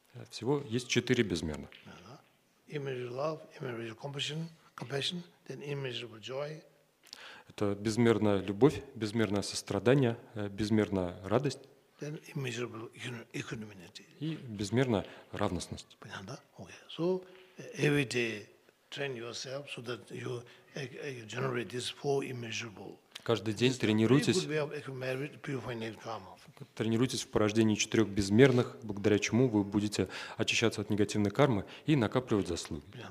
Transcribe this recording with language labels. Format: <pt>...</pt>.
<ru>Всего есть четыре безмерных.</ru> <en>Immeasurable love, immeasurable compassion, then immeasurable joy.</en> <ru>Это безмерная любовь, безмерное сострадание, безмерная радость.</ru> <en>Then immeasurable equanimity.</en> <ru>И безмерная равностность. Понятно, да? Okay.</ru> <en>So every day train yourself so that you generate these four immeasurable.</en> <ru>Каждый день тренируйтесь в порождении четырех безмерных, благодаря чему вы будете очищаться от негативной кармы и накапливать заслуги.</ru>